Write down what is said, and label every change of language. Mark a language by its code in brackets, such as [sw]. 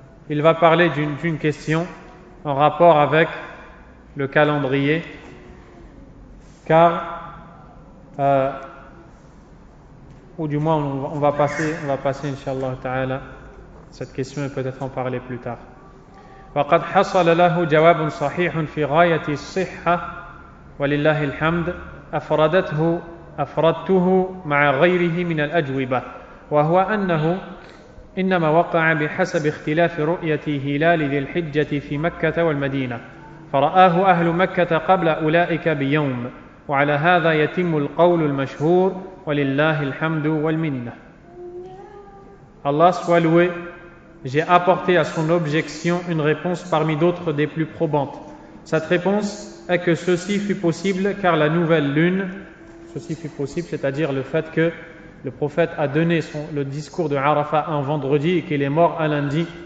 [fr] Il va parler d'une question en rapport avec le calendrier, car ou du moins on va passer inshallah ta'ala cette question et peut-être en parler plus tard. [ar] وقد حصل له جواب صحيح في غاية الصحة ولله الحمد أفردته مع غيره من الأجوبة وهو أنه إنما وقع بحسب اختلاف رؤية هلال ذي الحجة في مكة والمدينة فرآه أهل مكة قبل أولئك بيوم وعلى هذا يتم القول المشهور ولله الحمد والمنة. الله سوالوي. [fr] J'ai apporté à son objection une réponse parmi d'autres des plus probantes. Cette réponse est que ceci fut possible car la nouvelle lune, ceci fut possible, c'est-à-dire le fait que le prophète a donné le discours de Arafat un vendredi et qu'il est mort un lundi.